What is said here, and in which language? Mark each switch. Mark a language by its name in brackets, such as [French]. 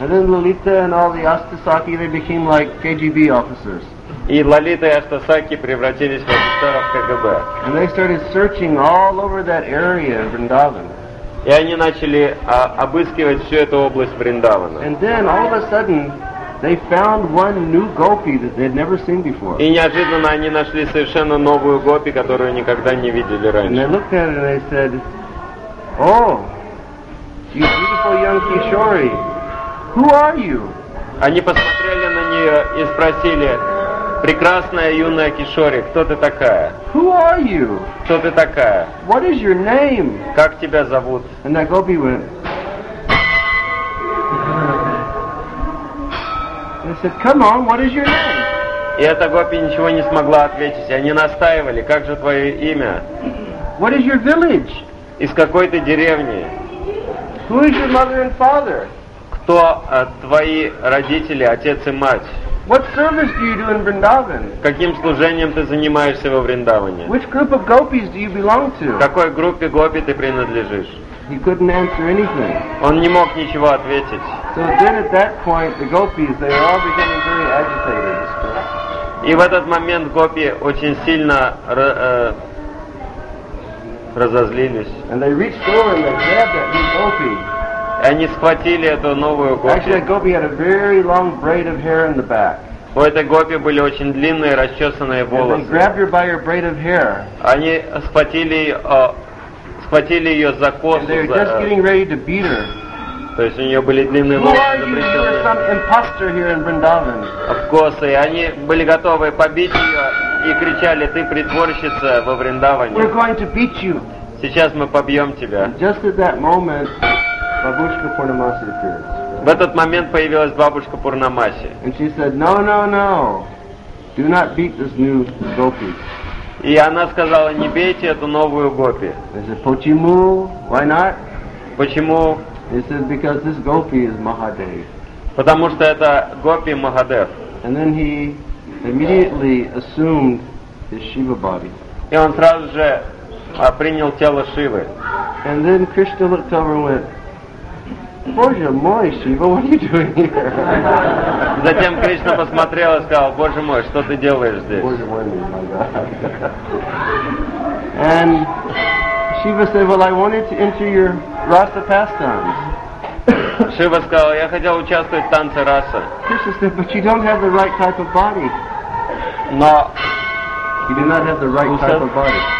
[English] And then Lalita and all the Astasaki, they became like KGB officers. [Russian] И Лолита и Аштасаки превратились в офицеров КГБ. [English] And they started searching all over that area in Vrindavan. [Russian] И они начали обыскивать всю эту область Вриндавана. [English] And then all of a sudden they found one new gopi that they had never seen before. [Russian] И неожиданно они нашли совершенно новую гопи, которую никогда не видели раньше. [English] And they looked at her and they said, "Oh, you beautiful young Kishori, who are you?" [Russian] Они посмотрели на нее и спросили: прекрасная юная Кишори, кто ты такая? [English] Who are you? [Russian] Кто ты такая? [English] What is your name? [Russian] Как тебя зовут? [English] And that gopi went. And they said, "Come on, what is your name?" [Russian] И эта гопи ничего не смогла ответить. Они настаивали: как же твое имя? [English] What is your village? [Russian] Из какой ты деревни? [English] Who is your mother and father? [Russian] Кто твои родители, отец и мать? [English] What service do you do in Vrindavan? [Russian] Каким служением ты занимаешься во Вриндаване? [English] Which group of gopis do you belong to? [Russian] Какой группе гопи ты принадлежишь? [English] He couldn't answer anything. [Russian] Он не мог ничего ответить. [English] So then at that point the gopis, they were all becoming very agitated. [Russian] И в этот момент гопи очень сильно разозлились. [English] And they reached over and they grabbed that new gopi. [Russian] Они схватили эту новую гопи. [English] Actually, that gopi had a very long braid of hair in the back. [Russian] У этой гопи были очень длинные расчесанные волосы. [English] They grabbed her by her braid of hair. [Russian] Они схватили ее за косу. [English] And they were just getting ready to beat her. [Russian] То есть у нее были длинные волосы. [English] Who are you? You're some imposter here in Vrindavan. Of course, [Russian] и они были готовы побить ее и кричали: ты притворщица во Вриндаване. [English] We're going to beat you. [Russian] Сейчас мы побьем тебя. [English] And just at that moment. Бабушка Пурнамаси appeared. [Russian] В этот момент появилась бабушка Пурнамаси. [English] And she said, "No, no, no. Do not beat this new gopi." [Russian] И она сказала: не бейте эту новую гопи. [English] I said, [Russian] "Почему? [English] Why not?" [Russian] Почему? [English] He said, "Because this gopi is Mahadev." [Russian] Потому что это гопи Махадев. [English] And then he immediately assumed his Shiva body. [Russian] И он сразу же принял тело Шивы. [English] And then Krishna looked over and went, [Russian] "Боже мой, Шива, [English] what are you doing here?" [Russian] Затем Кришна посмотрел и сказал: "Боже мой, что ты делаешь здесь?" Боже мой, [English] my God. And Shiva said, "Well, I wanted to enter your rasa pastimes." [Russian] Шива сказал: "Я хотел участвовать в танце раса." [English] Krishna said, "But you don't have the right type of body." [Russian] Но [English] you do not have the right type of body.